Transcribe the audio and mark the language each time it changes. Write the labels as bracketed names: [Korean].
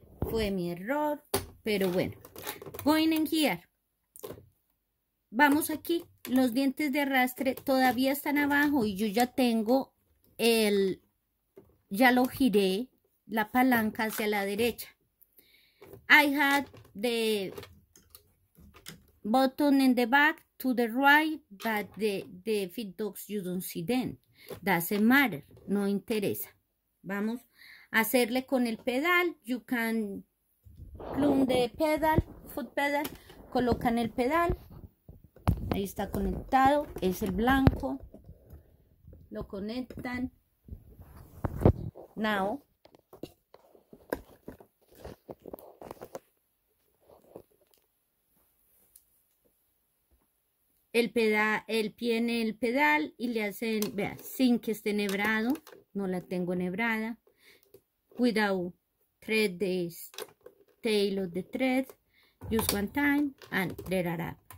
[Spanish] Fue mi error, pero bueno. [English] Going in here. [Spanish] Vamos aquí. Los dientes de arrastre todavía están abajo y yo ya tengo el. Ya lo giré la palanca hacia la derecha. [English] Had the button in the back to the right, but the feed dogs you don't see them. Doesn't matter, [Spanish] no interesa. Vamos a hacerle con el pedal. [English] You can plum the pedal, foot pedal. [Spanish] Colocan el pedal. Ahí está conectado, es el blanco. Lo conectan. [English] Now. [Spanish] El pie en el pedal y le hacen, vea, sin que esté enhebrado, no la tengo enhebrada. [English] Without thread, the tail of the thread, just one time and thread it up.